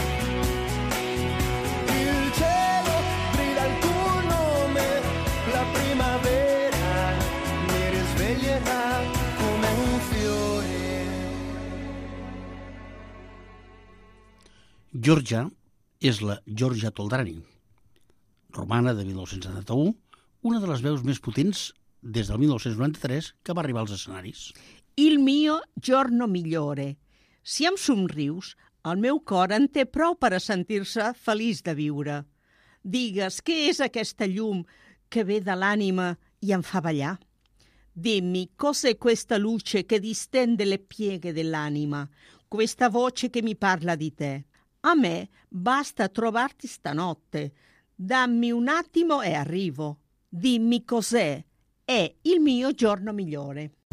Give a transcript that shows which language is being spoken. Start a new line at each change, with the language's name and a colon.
Italian: Il cielo grida il tuo nome, la primavera mi risveglierà come un fiore.
Catalan: Giorgia és la Giorgia Toldrani, romana de 1971, una de les veus més potents des del 1993 que va arribar als escenaris.
Italian: Il mio giorno migliore.
Catalan: Si em somrius, el meu cor en té prou per a sentir-se feliç de viure. Digues, què és aquesta llum que ve de l'ànima i em fa ballar?
Italian: Dimmi, cos'è questa luce che distende le pieghe dell'anima, questa voce che mi parla di te? A me basta trovarti stanotte. Dammi un attimo e arrivo. Dimmi cos'è. È il mio giorno migliore.